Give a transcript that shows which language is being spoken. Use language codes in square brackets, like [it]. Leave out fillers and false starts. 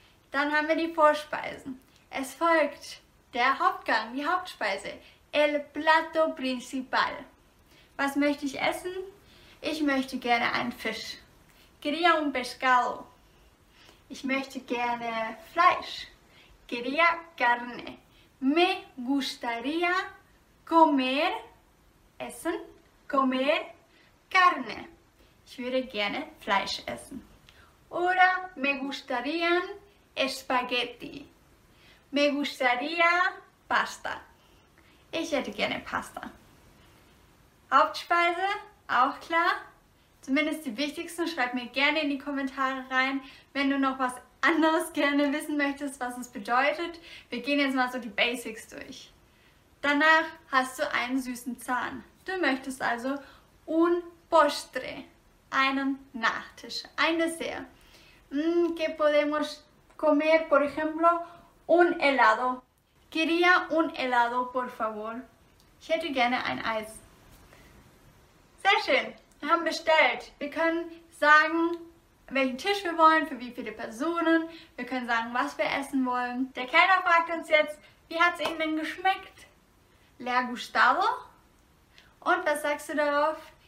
[de] Dann haben wir die Vorspeisen. Es folgt der Hauptgang, die Hauptspeise. [es] El plato principal. [de] Was möchte ich essen? Ich möchte gerne einen Fisch. [es] Quería un pescado. [de] Ich möchte gerne Fleisch. [es] Quería carne. Me gustaría comer, essen, comer carne. [de] Ich würde gerne Fleisch essen. [es] Oder me gustarían Spaghetti. Me gustaría Pasta. [de] Ich hätte gerne Pasta. Hauptspeise, auch klar. Zumindest die wichtigsten, schreib mir gerne in die Kommentare rein, wenn du noch was anderes gerne wissen möchtest, was es bedeutet. Wir gehen jetzt mal so die Basics durch. Danach hast du einen süßen Zahn. Du möchtest also un postre, einen Nachtisch, ein Dessert. [es] ¿Qué podemos comer, por ejemplo? Un helado. Quería un helado, por favor. [de] Ich hätte gerne ein Eis. Sehr schön, wir haben bestellt. Wir können sagen, welchen Tisch wir wollen, für wie viele Personen. Wir können sagen, was wir essen wollen. Der Kellner fragt uns jetzt, wie hat es Ihnen denn geschmeckt? [es] ¿Le ha gustado? [de] Und was sagst du darauf?